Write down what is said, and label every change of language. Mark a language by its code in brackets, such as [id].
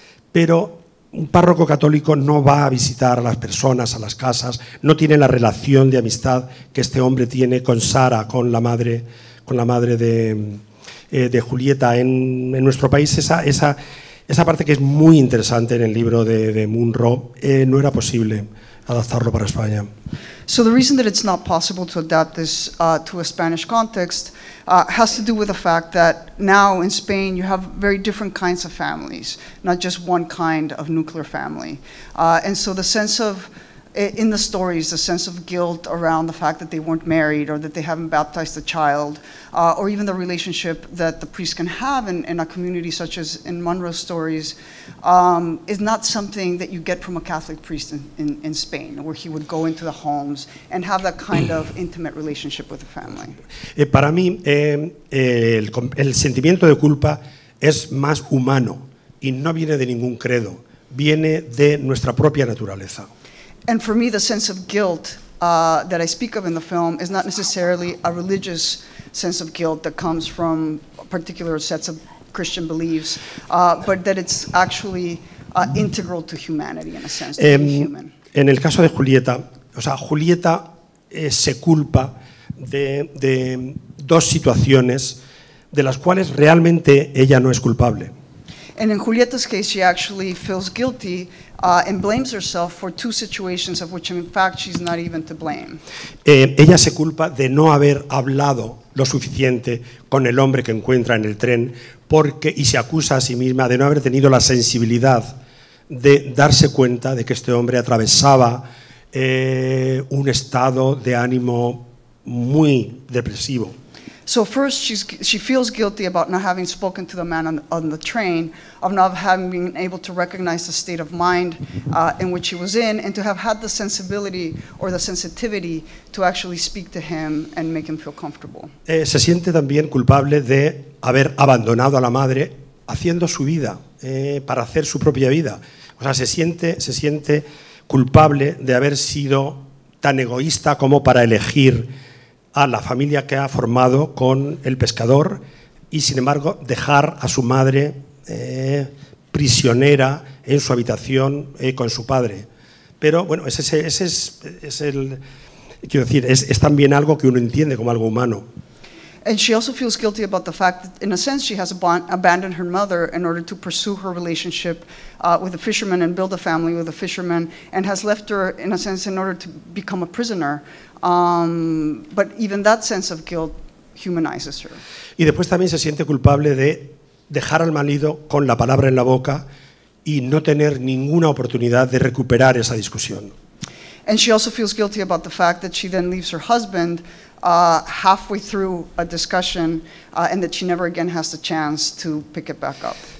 [es] Pero un párroco católico no va a visitar a las personas, a las casas, no tiene la relación de amistad que este hombre tiene con Sara, con la madre de Julieta. En nuestro país, esa parte que es muy interesante en el libro de Munro, no era posible adaptarlo para España. [en] So the reason that it's not possible to adapt this to a Spanish context has to do with the fact that now in Spain you have very different kinds of families, not just one kind of nuclear family. And so the sense of, in the stories, the sense of guilt around the fact that they weren't married or that they haven't baptized the child, or even the relationship that the priest can have in a community such as in Munro's stories, is not something that you get from a Catholic priest in Spain, where he would go into the homes and have that kind of intimate relationship with the family. [es] Para mí, el sentimiento de culpa es más humano y no viene de ningún credo, viene de nuestra propia naturaleza. [en] And for me, the sense of guilt that I speak of in the film is not necessarily a religious sense of guilt that comes from particular sets of Christian beliefs, but that it's actually integral to humanity, in a sense, to be human. [es] En el caso de Julieta, o sea, Julieta se culpa de dos situaciones de las cuales realmente ella no es culpable. [en] And in Julieta's case, she actually feels guilty and blames herself for two situations of which, in fact, she's not even to blame. [es] Ella se culpa de no haber hablado lo suficiente con el hombre que encuentra en el tren porque, y se acusa a sí misma de no haber tenido la sensibilidad de darse cuenta de que este hombre atravesaba un estado de ánimo muy depresivo. [en] So first, she feels guilty about not having spoken to the man on the train, of not having been able to recognize the state of mind in which he was in, and to have had the sensibility or the sensitivity to actually speak to him and make him feel comfortable. [es] Se siente también culpable de haber abandonado a la madre haciendo su vida, para hacer su propia vida. O sea, se siente culpable de haber sido tan egoísta como para elegir a la familia que ha formado con el pescador y, sin embargo, dejar a su madre prisionera en su habitación con su padre. Pero, bueno, es también algo que uno entiende como algo humano. [en] And she also feels guilty about the fact that, in a sense, she has abandoned her mother in order to pursue her relationship with a fisherman and build a family with a fisherman, and has left her, in a sense, in order to become a prisoner. But even that sense of guilt humanizes her. [es] Y después también se siente culpable de dejar al marido con la palabra en la boca y no tener ninguna oportunidad de recuperar esa discusión. [en] And she also feels guilty about the fact that she then leaves her husband halfway through a discussion and that she never again has the chance to pick it back up.